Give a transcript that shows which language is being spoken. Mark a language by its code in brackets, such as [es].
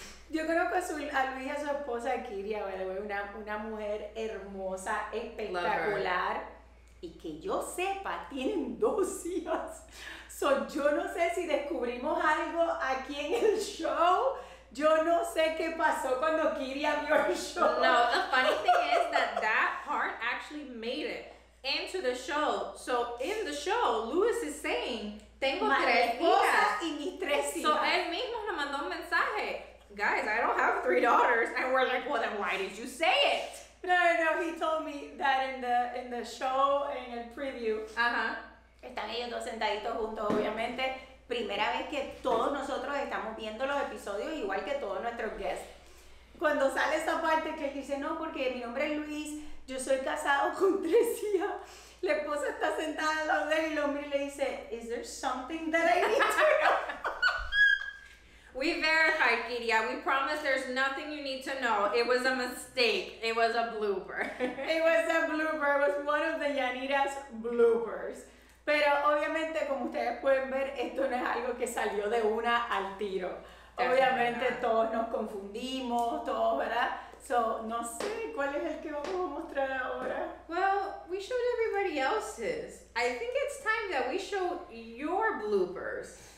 [es] Yo conozco a Luis y a su esposa, Kiria, una mujer hermosa, espectacular. [en] Love her. [es] Y que yo sepa, tienen dos hijas. So, yo no sé si descubrimos algo aquí en el show. Yo no sé qué pasó cuando Kiria vio el show. [en] No, the funny thing is that that part actually made it into the show. So, in the show, Luis is saying, [es] tengo tres hijas y mis tres hijas. [en] So, [es] él mismo nos mandó un mensaje. [en] Guys, I don't have three daughters. And we're like, well, then why did you say it? No, no, no, he told me that in the show, in the preview. Uh-huh. [es] Están ellos dos sentaditos juntos, obviamente. Primera vez que todos nosotros estamos viendo los episodios, igual que todos nuestros guests. Cuando sale esa parte que dice, no, porque mi nombre es Luis, yo soy casado con tres hijas. La esposa está sentada al lado de él y el hombre le dice, [en] is there something that I need to know? We verified, Kiria. We promise there's nothing you need to know. It was a mistake. It was a blooper. It was a blooper. It was one of the Yanira's bloopers. [es] Pero obviamente, como ustedes pueden ver, esto no es algo que salió de una al tiro. Definitely obviamente, not. Todos nos confundimos, todos, ¿verdad? So, no sé, ¿cuál es el que vamos a mostrar ahora? [en] Well, we showed everybody else's. I think it's time that we show your bloopers.